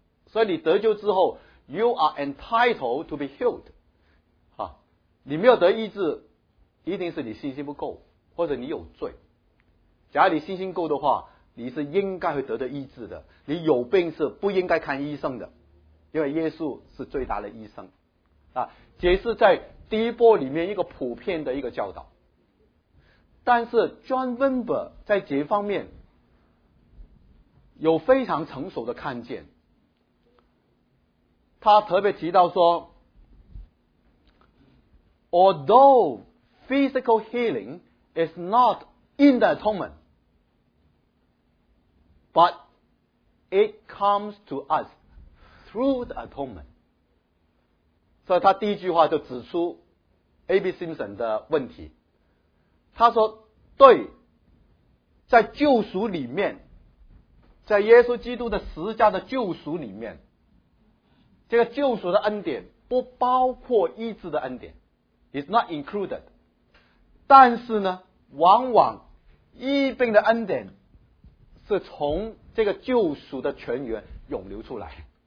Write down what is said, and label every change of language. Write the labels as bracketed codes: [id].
[zh] 所以你得救之后 [en] You are entitled to be healed、 [zh] 啊、你没有得医治一定是你信心不够，或者你有罪。假如你信心够的话，你是应该会得到医治的，你有病是不应该看医生的，因为耶稣是最大的医生啊，这是在第一波里面一个普遍的一个教导。但是 John Wimber 在这方面有非常成熟的看见，他特别提到说 [en] Although physical healing is not in the atonement, but it comes to us through the atonement. [zh] 所以他第一句话就指出 A.B. Simpson 的问题，他说对，在救赎里面，在耶稣基督的十字架的救赎里面，这个救赎的恩典不包括医治的恩典， [en] It's not included， [zh] 但是呢往往医病的恩典是从这个救赎的泉源涌流出来。